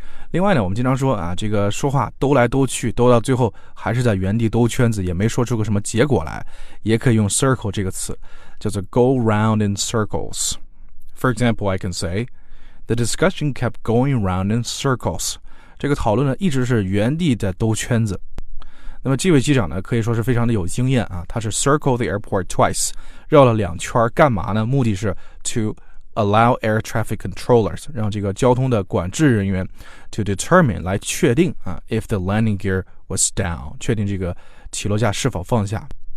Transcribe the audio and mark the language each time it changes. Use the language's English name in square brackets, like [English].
[Chinese] 另外呢，我们经常说啊，这个说话兜来兜去，兜到最后还是在原地兜圈子，也没说出个什么结果来，也可以用 circle 这个词，叫做 [English] go round in circles。 For example, I can say, the discussion kept going round in circles. [Chinese] 这个讨论呢，一直是原地在兜圈子。那么这位机长呢，可以说是非常的有经验啊，他是 [English] circle the airport twice， [Chinese] 绕了两圈，干嘛呢？目的是 [English] to allow air traffic controllers， [Chinese] 让这个交通的管制人员 [English] to determine [Chinese] 来确定啊 ， [English] if the landing gear was down， [Chinese] 确定这个起落架是否放下。